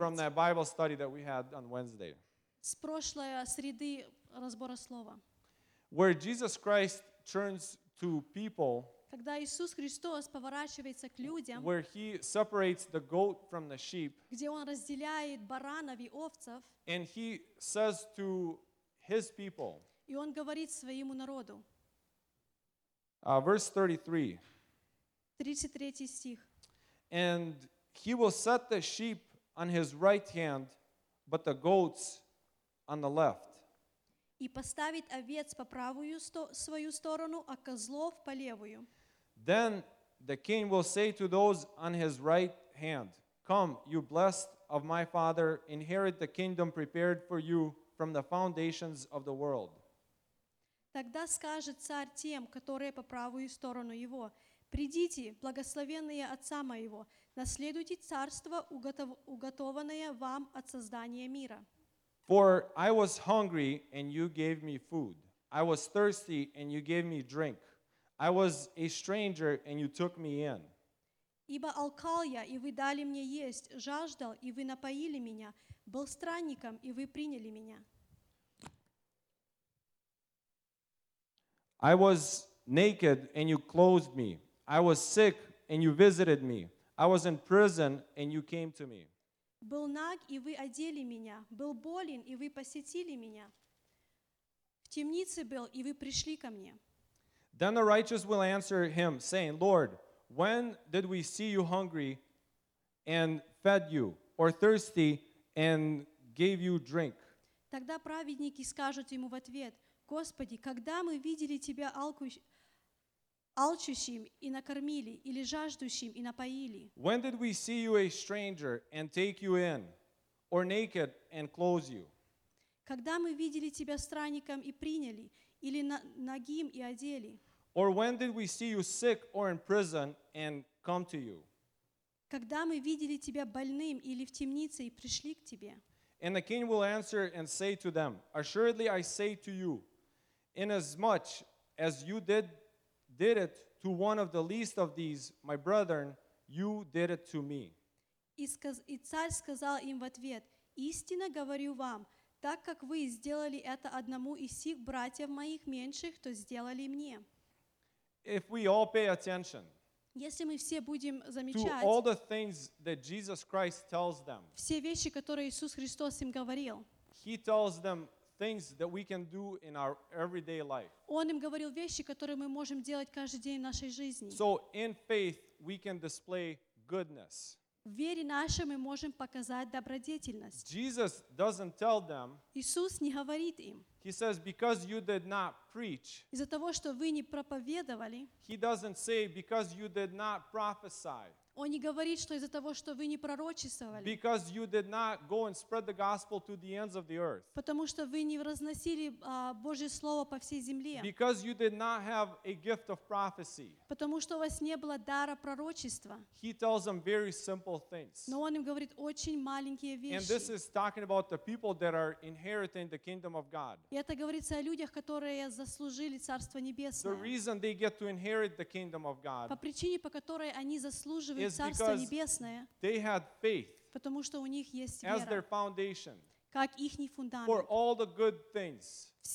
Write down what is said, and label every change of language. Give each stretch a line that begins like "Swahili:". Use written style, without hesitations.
English: From that Bible study that we had on Wednesday.
Russian: С прошлой среды. Разбора слова.
English: Where Jesus Christ turns to people,
Russian: когда Иисус Христос поворачивается к людям,
English: where he separates the goat from the sheep,
Russian: где он разделяет баранов и овцев,
English: and he says to his people,
Russian: и он говорит своему народу.
English: Verse 33.
Russian: 33 стих.
English: And he will set the sheep on his right hand, but the goats on the left.
Russian: И поставит овец по правую свою сторону, а козлов по левую.
English: Then the king will say to those on his right hand, "Come, you blessed of my father, inherit the kingdom prepared for you from the foundations of the world."
Russian: Тогда скажет царь тем, которые по правую сторону его, "Придите, благословенные отца моего, наследуйте царство, уготованное вам от создания мира."
English: For I was hungry, and you gave me food. I was thirsty, and you gave me drink. I was a stranger, and you took me in.
Russian: Ибо алкал я, и вы дали мне есть, жаждал, и вы напоили меня, был странником, и вы приняли меня.
English: I was naked, and you clothed me. I was sick, and you visited me. I was in prison, and you came to me.
Russian: Был наг, и вы одели меня. Был болен, и вы посетили меня. В темнице был, и вы пришли ко мне.
English: Then the righteous will answer him, saying, Lord, when did we see you hungry and fed you, or thirsty and gave you drink?
Russian: Тогда праведники скажут ему в ответ, Господи, когда мы видели тебя алчущим и накормили, или жаждущим и напоили.
English: When did we see you a stranger and take you in, or naked and clothe you?
Russian: Когда мы видели тебя странником и приняли, или нагим и одели?
English: Or when did we see you sick or in prison and come to you?
Russian: Когда мы видели тебя больным или в темнице и пришли к тебе?
English: And the king will answer and say to them, Assuredly I say to you, inasmuch as you did it to one of the least of these, my brethren, you did it to me.
Russian: И царь сказал им в ответ, «Истинно говорю вам, так как вы сделали это одному из сих братьев моих меньших, то сделали мне».
English: If we all pay attention,
Russian: если мы все будем замечать
English: to all the things that Jesus Christ tells them,
Russian: все вещи, которые Иисус Христос им говорил,
English: He tells them, things that we can do in our everyday life.
Russian: Он им говорил вещи, которые мы можем делать каждый день в нашей жизни.
English: So in faith we can display goodness.
Russian: В вере нашей мы можем показать добродетельность.
English: Jesus doesn't tell them.
Russian: Иисус не говорит им.
English: He says because you did not preach.
Russian: Из-за того, что вы не проповедовали.
English: He doesn't say because you did not prophesy.
Russian: Он не говорит, что из-за того, что вы не пророчествовали.
English: Because you did not go and spread the gospel to the ends of the earth.
Russian: Потому что вы не разносили Божье слово по всей земле.
English: Because you did not have a gift of prophecy.
Russian: Потому что у вас не было дара пророчества.
English: He tells them very simple things.
Russian: Но он им говорит очень маленькие вещи.
English: And this is talking about the people that are inheriting the kingdom of God.
Russian: И это говорится о людях, которые заслужили Царство Небесное.
English: The reason they get to inherit the kingdom of God.
Russian: По причине, по которой они заслуживают.
English: is because they had faith as their foundation for all the good things.